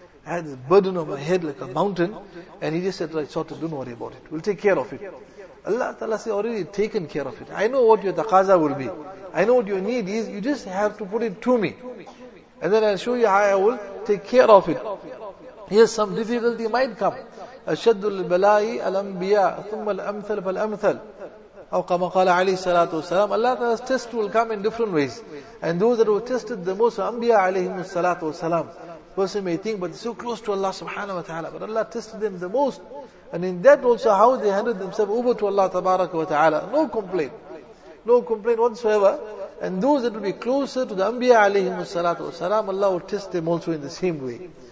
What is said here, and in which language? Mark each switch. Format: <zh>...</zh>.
<en>I had this burden on my head like a mountain. And he just said, right, sorted. Don't worry about it. We'll take care of it. Allah Ta'ala said, already taken care of it. I know what your taqaza will be. I know what your need is. You just have to put it to me. And then I'll show you how I will take care of it. Here's some difficulty might come.</en> <ar>أَشَدُّ الْبَلَاءِ الْأَنْبِيَاءِ ثُمَّ الْأَمْثَلِ فَالْأَمْثَلِ أو كما قال علي صلى الله عليه وسلم.</ar> <en>Allah's test will come in different ways, and those that were tested the most are Anbiya alayhim salatu wasalam. Person may think, but they're so close to Allah subhanahu wa ta'ala, but Allah tested them the most, and in that also how they handed themselves over to Allah tabarak wa ta'ala. No complaint whatsoever. And those that will be closer to the Anbiya alayhim salatu wasalam, Allah will test them also in the same way.</en>